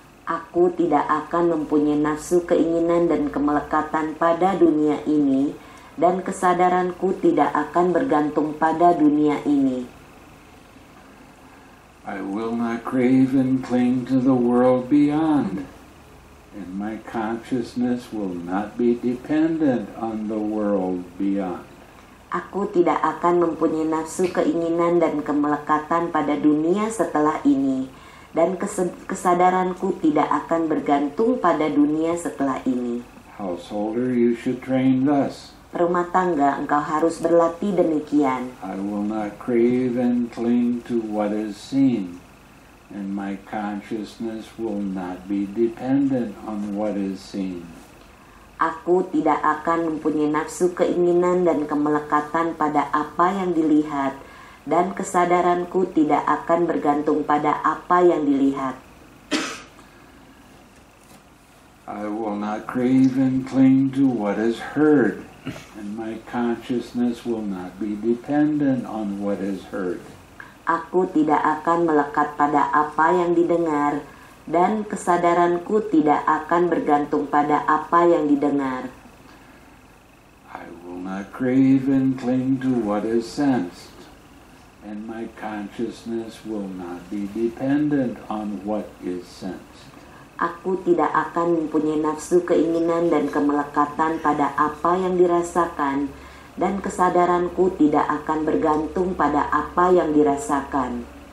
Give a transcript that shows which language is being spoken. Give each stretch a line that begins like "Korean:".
Indonesian: Aku tidak akan mempunyai nafsu, keinginan, dan kemelekatan pada dunia ini, dan kesadaranku tidak akan bergantung pada dunia ini.
English: I will not crave and cling to the world beyond, and my consciousness will not be dependent on the world beyond.
Indonesian: Aku tidak akan mempunyai nafsu, keinginan, dan kemelekatan pada dunia setelah ini, dan kesadaranku tidak akan bergantung pada dunia setelah ini.
English: Householder, you should train thus.
Indonesian: Rumah tangga, engkau harus berlatih demikian.
English: I will not crave and cling to what is seen, and my consciousness will not be dependent on what is seen.
Indonesian: Aku tidak akan mempunyai nafsu, keinginan, dan kemelekatan pada apa yang dilihat, dan kesadaranku tidak akan bergantung pada apa yang dilihat.
English: I will not crave and cling to what is heard, and my consciousness will not be dependent on what is heard.
Indonesian: Aku tidak akan melekat pada apa yang didengar, dan kesadaranku tidak akan bergantung pada apa yang didengar.
English: I will not crave and cling to what is sensed, and my consciousness will not be dependent on what is sensed.
Indonesian: Aku tidak akan mempunyai nafsu, keinginan, dan kemelekatan pada apa yang dirasakan, dan kesadaranku tidak akan bergantung pada apa yang dirasakan.